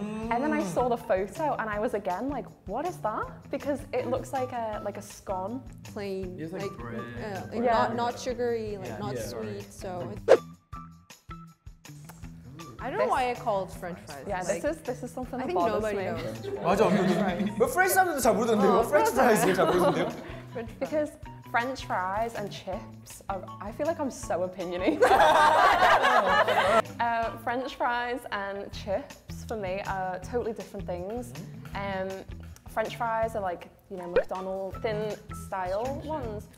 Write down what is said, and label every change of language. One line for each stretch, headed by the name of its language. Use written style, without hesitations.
English: And then I saw the photo, and I was again like, what is that? Because it looks like a scone. Plain. It's like bread. Not sugary, sweet, so. I don't know why I call it French fries. Yeah, like, this is something that bothers me. I think nobody knows.
Korean: 맞아, 왜 프렌치 사람들도 잘 모르던데요? 왜 프렌치 프라이즈를 잘 모르던데요?
English: Because French fries and chips are, I feel like I'm so opinionated. French fries and chips for me are totally different things. French fries are like, you know, McDonald's thin style ones.